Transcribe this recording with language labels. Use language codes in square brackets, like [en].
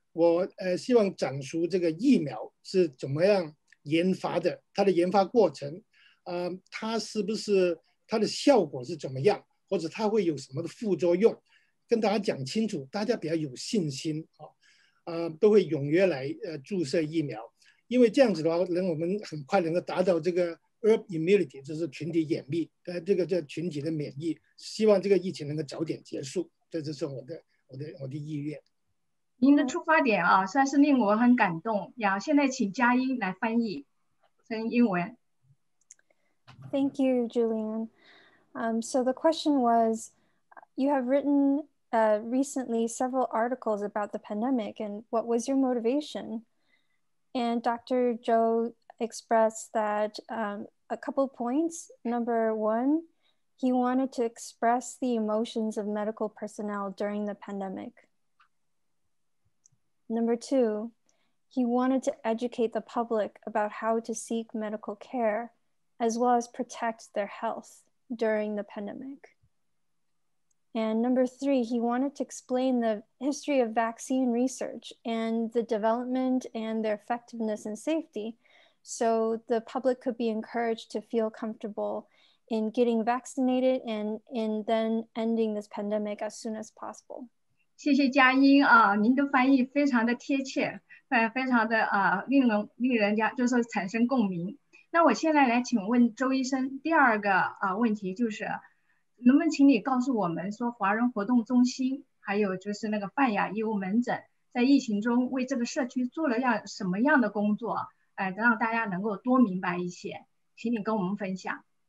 [zh] 我希望讲述这个疫苗是怎么样研发的，它的研发过程，它是不是它的效果是怎么样，或者它会有什么的副作用，跟大家讲清楚，大家比较有信心啊，都会踊跃来注射疫苗，因为这样子的话，我们很快能够达到这个 herd immunity， 就是群体免疫，这个群体的免疫，希望这个疫情能够早点结束，这就是我的意愿。您的出发点啊，算是令我很感动呀。现在请嘉莹来翻译成英文。 [en] Thank you, Julian. So the question was, you have written recently several articles about the pandemic, and what was your motivation? And Dr. Zhou expressed that a couple points. Number one, he wanted to express the emotions of medical personnel during the pandemic. Number two, he wanted to educate the public about how to seek medical care, as well as protect their health during the pandemic. And number three, he wanted to explain the history of vaccine research and the development and their effectiveness and safety, so the public could be encouraged to feel comfortable in getting vaccinated and in then ending this pandemic as soon as possible. [zh] 谢谢嘉莹啊，您的翻译非常的贴切，非常的令人家就是产生共鸣。那我现在来请问周医生第二个问题，就是能不能请你告诉我们说，华人活动中心还有就是那个泛亚医务门诊在疫情中为这个社区做了什么样的工作，让大家能够多明白一些，请你跟我们分享。